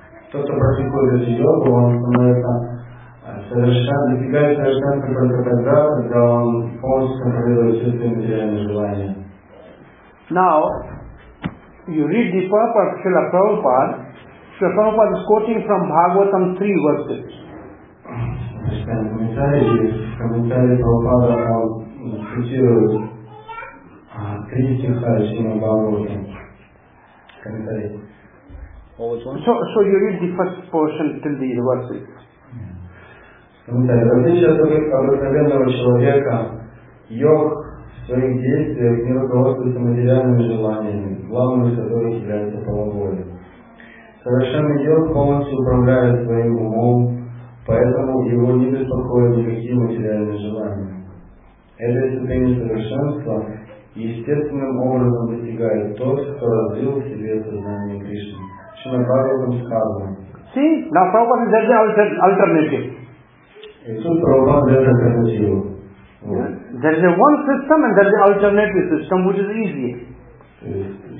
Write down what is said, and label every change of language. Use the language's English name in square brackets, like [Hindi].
[Russian] Тот, кто практикует йогу, он становится совершенно, достигает совершенства только тогда, когда он полностью контролирует все свои материальные желания. [English] Now, you read the purport of Srila Prabhupada. Srila Prabhupada is quoting from Bhagavatam 3 verses. [Russian] Комментарий Прабхупада цитирует три стиха из Шримад Бхагаватам. Комментарий. [English] So you read the first portion till the verse. [Russian] Комментарий. В отличие от обыкновенного человека, йог в своих действиях не руководствуется материальными желаниями, главным из которых является половое. Совершенный йог полностью управляет своим умом, поэтому его не беспокоят никакие материальные желания. Это ступень совершенства естественным образом достигает тот, кто развил в себе сознание Кришны. [English] See, now Prabhupada is the alternative. There is a one system and there is an alternative system which is easier.